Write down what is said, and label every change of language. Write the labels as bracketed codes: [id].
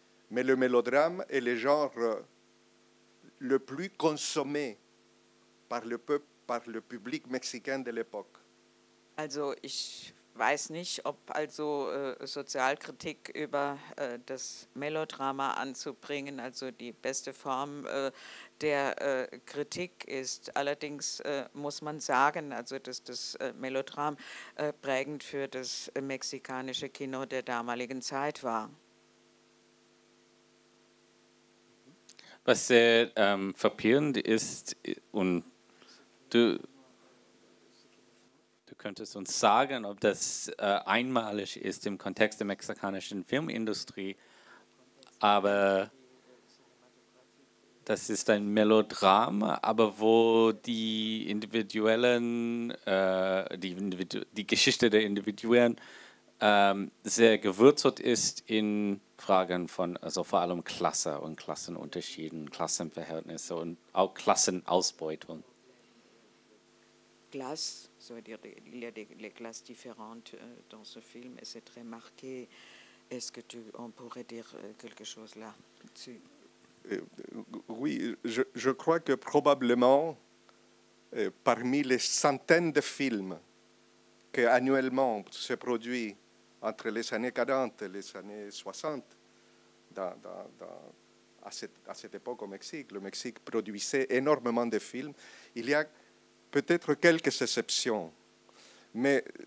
[fr] Mais le mélodrame est le genre le plus consommé par le peuple, par le public mexicain de l'époque. [de] Also, ich weiß nicht, ob also Sozialkritik über das Melodrama anzubringen, also die beste Form der Kritik ist. Allerdings muss man sagen, also dass das Melodram prägend für das mexikanische Kino der damaligen Zeit war. Was sehr verpirrend ist, und du könntest uns sagen, ob das einmalig ist im Kontext der mexikanischen Filmindustrie, aber das ist ein Melodram, aber wo die individuellen, die Geschichte der Individuen sehr gewurzelt ist in Fragen von, also vor allem Klasse und Klassenunterschieden, Klassenverhältnisse und auch Klassenausbeutung. Klasse. [fr] Ça veut dire qu'il y a des classes différentes dans ce film et c'est très marqué. Est-ce que on pourrait dire quelque chose là-dessus? Oui, je crois que probablement parmi les centaines de films qui annuellement se produisent entre les années 40 et les années 60, à cette époque au Mexique, le Mexique produisait énormément de films, il y a peut-être quelques exceptions, mais